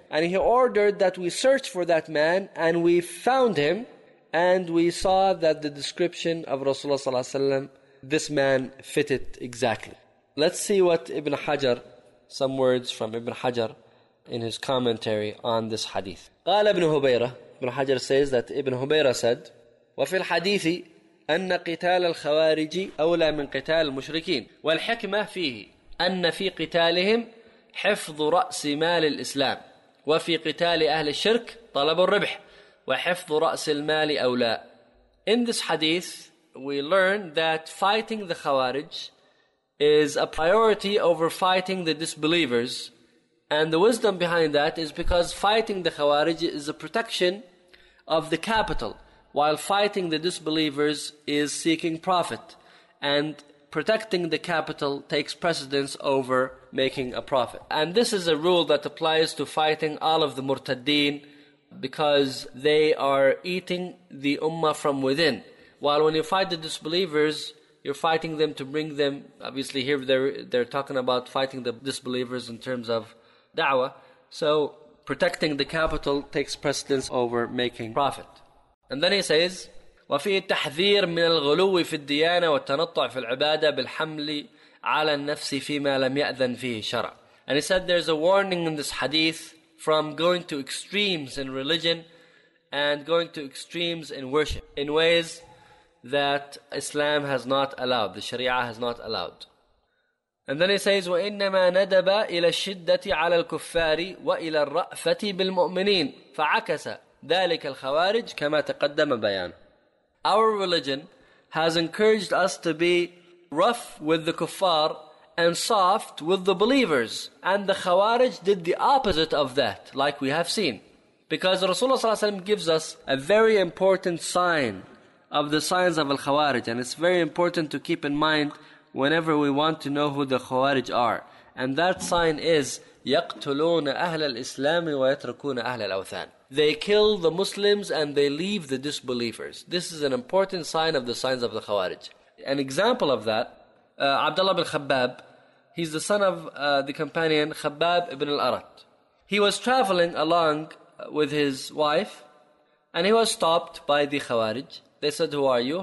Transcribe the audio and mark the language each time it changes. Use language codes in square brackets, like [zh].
[en] And he ordered that we search for that man, and we found him, and we saw that the description of Rasulullah ﷺ, this man fitted exactly. Let's see what Ibn Hajar, some words from Ibn Hajar in his commentary on this hadith. [ar] قال ابن هبيرة, [en] Ibn Hajar says that Ibn Hubayra said, [ar] وفي الحديث أن قتال الخوارج أولى من قتال المشركين والحكمة فيه أن في قتالهم حفظ رأس مال الإسلام وفي قتال أهل الشرك طلب الربح وحفظ رأس المال أولى. [en] In this hadith, we learn that fighting the Khawarij is a priority over fighting the disbelievers. And the wisdom behind that is because fighting the Khawarij is a protection of the capital, while fighting the disbelievers is seeking profit. And protecting the capital takes precedence over making a profit. And this is a rule that applies to fighting all of the Murtaddeen, because they are eating the Ummah from within. While when you fight the disbelievers, you're fighting them to bring them, obviously here they're talking about fighting the disbelievers in terms of da'wah. So protecting the capital takes precedence over making profit. And then he says, [ar] وفي تحذير من الغلو في الديانة والتنطع في العبادة بالحمل على النفس فيما لم يأذن فيه شرع. [en] And he said there's a warning in this hadith from going to extremes in religion and going to extremes in worship in ways that Islam has not allowed, the Sharia has not allowed. And then he says, [ar] وَإِنَّمَا نَدَبَ إِلَى الشِّدَّةِ عَلَى الْكُفَّارِ وَإِلَى الرَّأْفَةِ بِالْمُؤْمِنِينَ فَعَكَسَ ذَلِكَ الْخَوَارِجِ كَمَا تَقَدَّمَ بَيَانَ. [en] Our religion has encouraged us to be rough with the kuffar and soft with the believers. And the Khawarij did the opposite of that, like we have seen. Because Rasulullah ﷺ gives us a very important sign of the signs of Al-Khawarij. And it's very important to keep in mind whenever we want to know who the Khawarij are. And that sign is, [ar] يَقْتُلُونَ أَهْلَ الْإِسْلَامِ وَيَتْرَكُونَ أَهْلَ الْأَوْثَانِ. [en] They kill the Muslims and they leave the disbelievers. This is an important sign of the signs of the Khawarij. An example of that, Abdullah bin Khabbab, he's the son of the companion Khabbab ibn al-Arat. He was traveling along with his wife and he was stopped by the Khawarij. They said, who are you?